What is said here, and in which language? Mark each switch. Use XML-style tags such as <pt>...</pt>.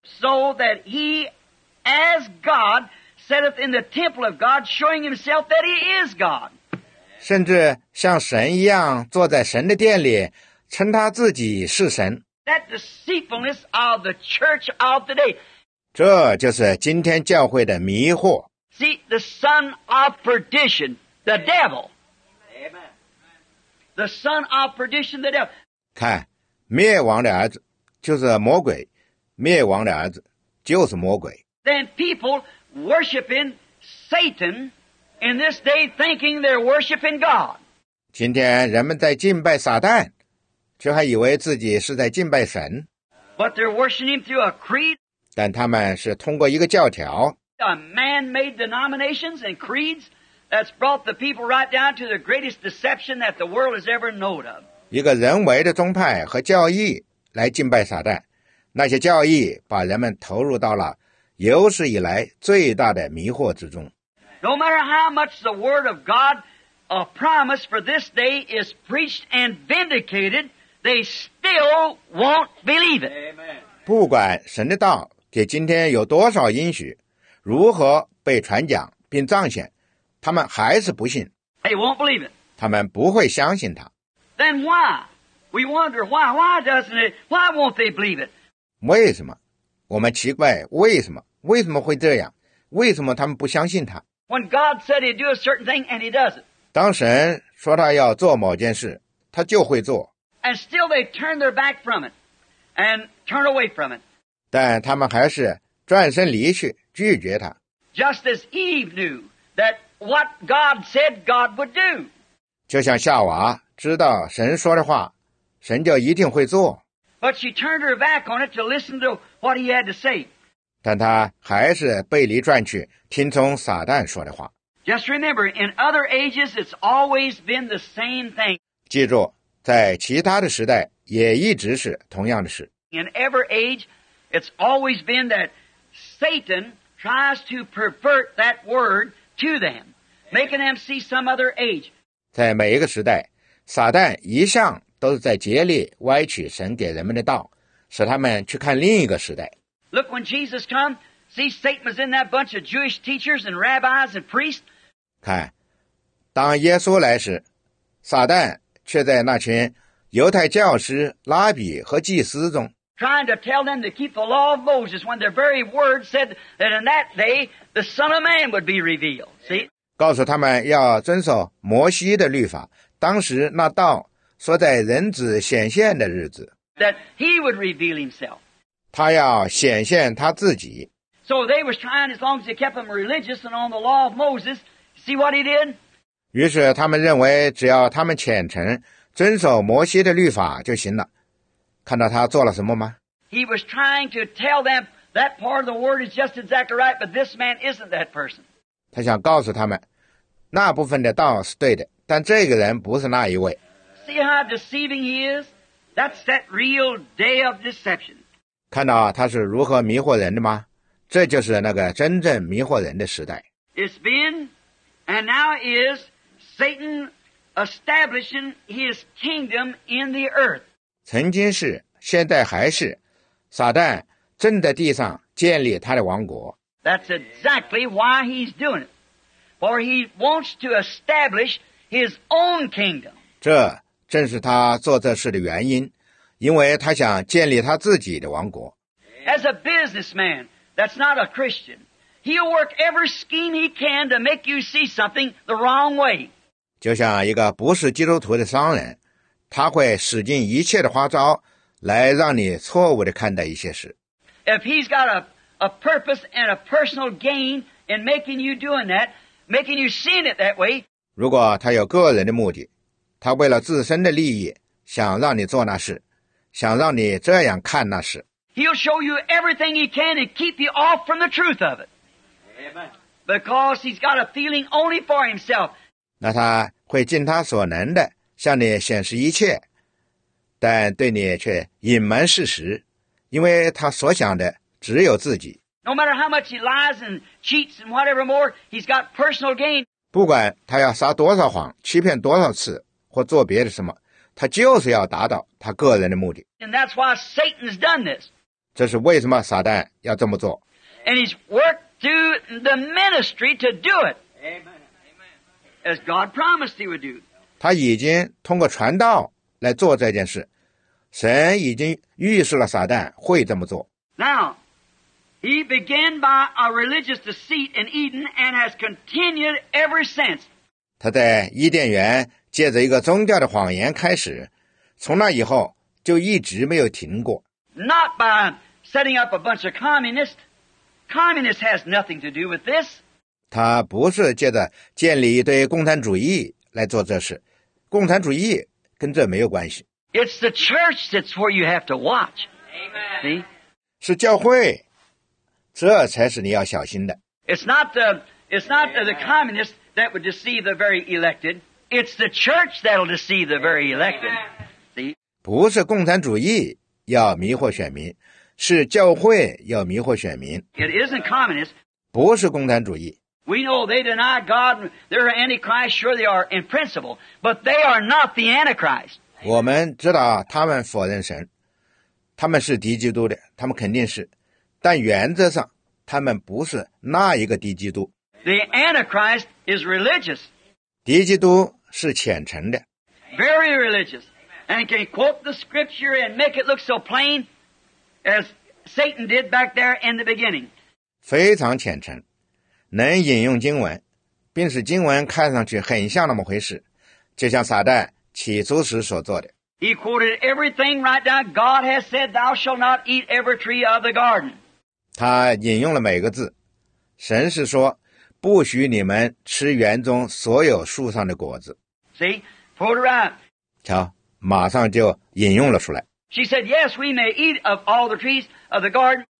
<en>So that he, as God, setteth in the temple of God, showing himself that he is God.</en> <zh>甚至像神一样坐在神的殿里，称他自己是神。</zh> <en>That deceitfulness of the church of the day.</en> <zh>这就是今天教会的迷惑。</zh> <en>See, the son of perdition, the devil. Amen. The son of perdition, the devil.</en> <zh>看，灭亡的儿子就是魔鬼，灭亡的儿子就是魔鬼。</zh> <en>Then people worshiping Satan in this day thinking they're worshiping God.</en> <zh>今天人们在敬拜撒旦。却还以为自己是在敬拜神。</zh> <en>But they're worshiping him through a creed.</en> <zh>但他们是通过一个教条。</zh> <en>A man-made denominations and creeds that's brought the people right down to the greatest deception that the world has ever known of.</en> <zh>一个人为的宗派和教义来敬拜撒旦，那些教义把人们投入到了有史以来最大的迷惑之中。</zh> <en>No matter how much the word of God a promise for this day is preached and vindicated, they still won't believe it.</en> <zh>不管神的道给今天有多少应许，如何被传讲并彰显，他们还是不信。</zh> <en>They won't believe it.</en> <zh>他们不会相信他。</zh> <en>Then why? We wonder why. Why doesn't it? Why won't they believe it?</en> <zh>为什么？我们奇怪为什么？为什么会这样？为什么他们不相信他？</zh> <en>When God said he'd do a certain thing and he does it.</en> <zh>当神说他要做某件事，他就会做。</zh> <en>And still they turn their back from it and turn away from it.</en> <zh>但他们还是转身离去，拒绝他。</zh> <en>Just as Eve knew that what God said God would do.</en> <zh>就像夏娃知道神说的话，神就一定会做。</zh> <en>But she turned her back on it to listen to what he had to say.</en> <zh>但他还是背离转去，听从撒旦说的话。</zh> <en>Just remember, in other ages, it's always been the same thing.</en> <zh>记住，在其他的时代也一直是同样的事。</zh> <en>In every age, it's always been that Satan tries to pervert that word to them, making them see some other age.</en> <zh>在每一个时代，撒旦一向都是在竭力歪曲神给人们的道，使他们去看另一个时代。</zh> <en>Look when Jesus comes. See, Satan was in that bunch of Jewish teachers and rabbis and priests.</en> <zh>看，当耶稣来时，撒旦却在那群犹太教师、拉比和祭司中。</zh> <en>Trying to tell them to keep the law of Moses when their very word said that in that day the Son of Man would be revealed. See?</en> <zh>告诉他们要遵守摩西的律法，当时那道说在人子显现的日子。</zh> <en>That he would reveal himself.</en> <zh>他要显现他自己。</zh> <en>So they was trying as long as they kept them religious and on the law of Moses. See what he did?</en> <zh>于是他们认为只要他们虔诚遵守摩西的律法就行了。看到他做了什么吗？</zh> <en>He was trying to tell them that part of the word is just exactly right, but this man isn't that person.</en> <zh>他想告诉他们那部分的道是对的，但这个人不是那一位。</zh> <en>See how deceiving he is? That's that real day of deception.</en> <zh>看到他是如何迷惑人的吗？这就是那个真正迷惑人的时代。</zh> <en>It's been, and now is, Satan establishing his kingdom in the earth.</en> <zh>曾经是，现在还是，撒旦正在地上建立他的王国。</zh> <en>That's exactly why he's doing it. For he wants to establish his own kingdom.</en> <zh>这正是他做这事的原因，因为他想建立他自己的王国。</zh> <en>As a businessman that's not a Christian, he'll work every scheme he can to make you see something the wrong way.</en> <zh>就像一个不是基督徒的商人，他会使尽一切的花招来让你错误地看待一些事。</zh> <en>If he's got a purpose and a personal gain in making you doing that, making you seeing it that way,</en> <zh>如果他有个人的目的，他为了自身的利益想让你做那事，想让你这样看那事。</zh> <en>He'll show you everything he can and keep you off from the truth of it. Because he's got a feeling only for himself.</en> <zh>那他会尽他所能的向你显示一切，但对你却隐瞒事实，因为他所想的只有自己。</zh> <en>No matter how much he lies and cheats and whatever more, he's got personal gain.</en> <zh>不管他要撒多少谎，欺骗多少次，或做别的什么，他就是要达到他个人的目的。</zh> <en>And that's why Satan's done this.</en> <zh>这是为什么撒旦要这么做。</zh> <en>And he's worked through the ministry to do it. Amen. As God promised he would do.</en> <zh>他已经通过传道来做这件事，神已经预示了撒旦会这么做。</zh> <en>Now, he began by a religious deceit in Eden and has continued ever since.</en> <zh>他在伊甸园借着一个宗教的谎言开始，从那以后就一直没有停过。</zh> <en>Not by setting up a bunch of communists. Communists has nothing to do with this.</en> <zh>他不是借着建立一堆共产主义来做这事，共产主义跟这没有关系。</zh> <en>It's the church that's where you have to watch. Amen. See?</en> <zh>是教会，这才是你要小心的。</zh> <en>It's not the communists that would deceive the very elected. It's the church that'll deceive the very elected. See?</en> <zh>不是共产主义要迷惑选民，是教会要迷惑选民。</zh> <en>It isn't communists.</en> <zh>不是共产主义。</zh> <en>We know they deny God, they're antichrist, sure they are in principle, but they are not the antichrist.</en> <zh>我们知道他们否认神，他们是敌基督的，他们肯定是，但原则上他们不是那一个敌基督。</zh> <en>The antichrist is religious.</en> <zh>敌基督是虔诚的。</zh> <en>Very religious. And can quote the scripture and make it look so plain as Satan did back there in the beginning.</en> <zh>非常虔诚。能引用经文，并使经文看上去很像那么回事，就像撒旦起初时所做的。</zh> <en>He quoted everything right down. God has said, "Thou shall not eat every tree of the garden."</en> <zh>他引用了每个字。神是说，不许你们吃园中所有树上的果子。</zh> <en>See, quoted right.</en> <zh>瞧，马上就引用了出来。</zh> <en>She said, "Yes, we may eat of all the trees of the garden."</en>